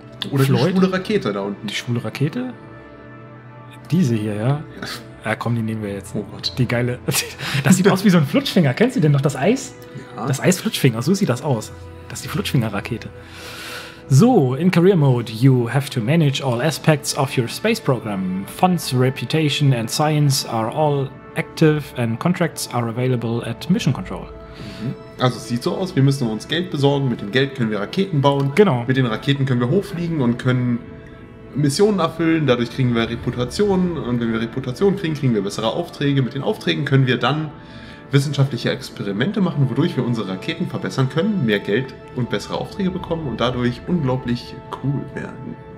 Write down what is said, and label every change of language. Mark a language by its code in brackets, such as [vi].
[de] Oder Floyd? Die schwule Rakete da unten. Die schwule Rakete? Diese hier, ja. Ja, komm, die nehmen wir jetzt. Oh Gott. Die geile. Das sieht aus wie so ein Flutschfinger. Kennst du denn noch das Eis? Ja. Das Eis-Flutschfinger, so sieht das aus. Das ist die Flutschfinger-Rakete. [en] So, in Career Mode, you have to manage all aspects of your space program. Funds, reputation and science are all active and contracts are available at Mission Control. Mhm. [de] Also, es sieht so aus, wir müssen uns Geld besorgen. Mit dem Geld können wir Raketen bauen. Genau. Mit den Raketen können wir hochfliegen und können Missionen erfüllen, dadurch kriegen wir Reputation und wenn wir Reputation kriegen, kriegen wir bessere Aufträge. Mit den Aufträgen können wir dann wissenschaftliche Experimente machen, wodurch wir unsere Raketen verbessern können, mehr Geld und bessere Aufträge bekommen und dadurch unglaublich cool werden.